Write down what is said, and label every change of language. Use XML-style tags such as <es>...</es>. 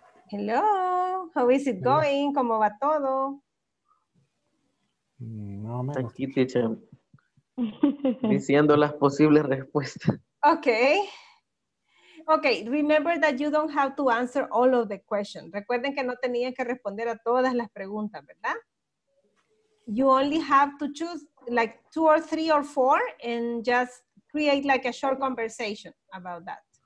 <en>Hello, how is it going?</en> <es>¿Cómo va todo? No, no. Aquí, teacher. Diciendo las posibles respuestas.</es> <en>Okay. Okay, remember that you don't have to answer all of the questions.</en> <es>Recuerden que no tenían que responder a todas las preguntas, ¿verdad?</es> <en>You only have to choose like two or three or four and just create like a short conversation about that.</en>